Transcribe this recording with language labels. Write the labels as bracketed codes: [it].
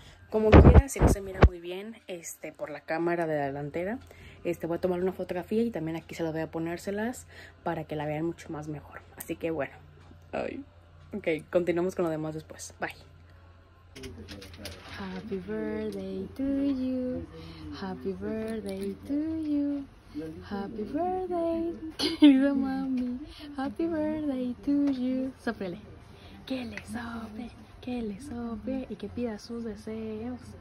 [es] 48. Como quiera, si no se mira muy bien, por la cámara de la delantera, voy a tomar una fotografía y también aquí se las voy a ponérselas para que la vean mucho más mejor. Así que bueno. Ay. Ok, continuamos con lo demás después. [en] Bye. Happy birthday to you, happy birthday to you, happy birthday, [es] querida mami, [en] happy birthday to you. [es] Sóplele, que le sople, que le sople y que pida sus deseos.